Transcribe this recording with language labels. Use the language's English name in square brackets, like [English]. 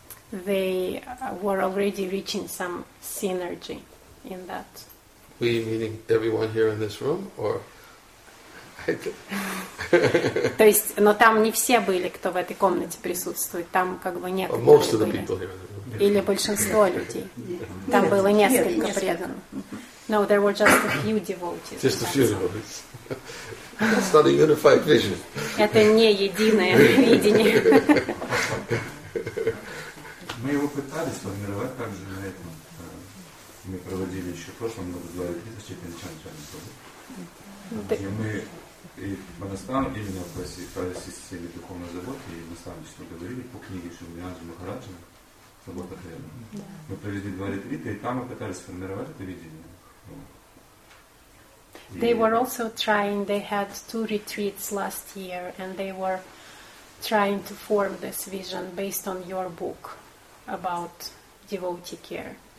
[English] They were already reaching some synergy in that. We meaning everyone here in this room, or... [Russian] То есть, но там не все были, кто в этой комнате присутствует. Там как бы некоторые [English] well, most of the [Russian] были. [English] People here. [Russian] Или большинство людей. Там было несколько преданных. [English] No, there were just a few devotees. Just a few devotees. It's not a unified vision. [Russian] Это не единое видение. Мы его пытались сформировать также на этом. Мы проводили еще в прошлом году два ретрита с четырьмя чан-чанами. Где мы... И Манастан именно по системе духовной заботы и наставничество говорили по книге Шумьянджи Махараджи «Забота Хрена». Да. Мы провели два ретрита, и там мы пытались сформировать это видение. [English] They were also trying, they had two retreats last year, and they were trying to form this vision based on your book about devotee care.